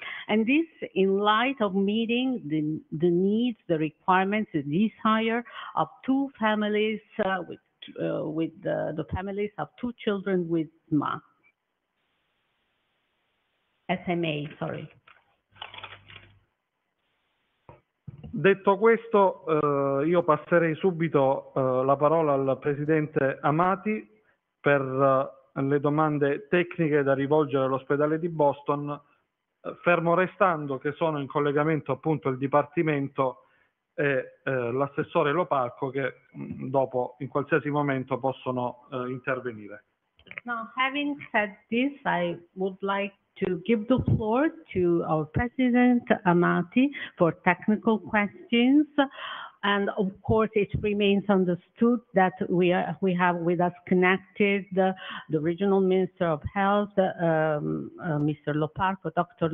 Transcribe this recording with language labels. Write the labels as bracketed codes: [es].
[en] And this, in light of meeting the needs, the requirements, the desire of two families with the families of two children with SMA. [it] Detto questo, io passerei subito la parola al presidente Amati per le domande tecniche da rivolgere all'ospedale di Boston, fermo restando che sono in collegamento, appunto, il dipartimento e l'assessore Lopalco, che dopo in qualsiasi momento possono intervenire. [en] Now, having said this, I would like to give the floor to our President Amati for technical questions. And of course, it remains understood that we have with us connected the regional minister of health, Mr. Lopalco, Dr.